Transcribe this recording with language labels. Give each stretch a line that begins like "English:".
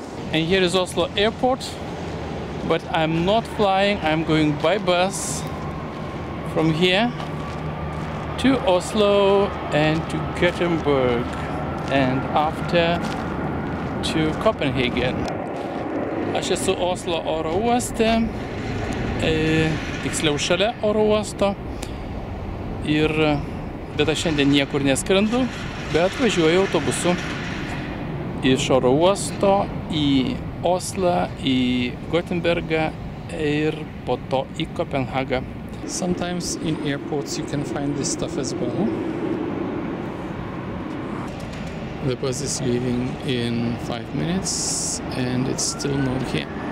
English: And here is Oslo airport, but I'm not flying, I'm going by bus from here to Oslo and to Gothenburg and after to Copenhagen.
Lithuanian: Aš esu Oslo oro uoste, tiksliau šalia oro uosto, ir bet aš šiandien niekur neskrendu, bet važiuoju autobusu iš oro uosto į Oslą, į Gothenburgą ir po to į Kopenhagą.
English: Sometimes in airports you can find this stuff as well. The bus is leaving in 5 minutes and it's still not here.